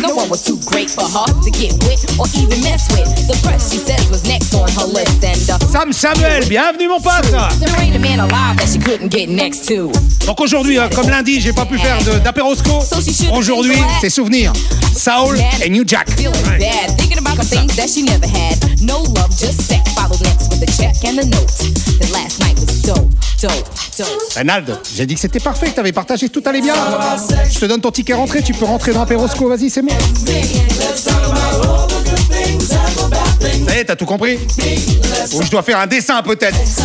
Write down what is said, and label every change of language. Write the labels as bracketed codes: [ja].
[en] No one was too great for her to get with or even mess with. The press she says was next on her list. And [fr] Sam Samuel, bienvenue mon pote. [en] There ain't a man alive that she couldn't get next to. [fr] Donc aujourd'hui, comme lundi, j'ai pas pu faire d'Ape'Rosco. Aujourd'hui, c'est souvenir. Soul et New Jack. [en] Feeling bad, thinking about the things that she never had. No love, just sex. Followed next with a check and a note. The last night was dope. [fr] Reynald, j'ai dit que c'était parfait, que t'avais partagé, tout allait bien. Je te donne ton ticket rentrée, tu peux rentrer dans Ape'Rosco, vas-y, c'est bon. Ça y est, t'as tout compris? Ou je dois faire un dessin peut-être?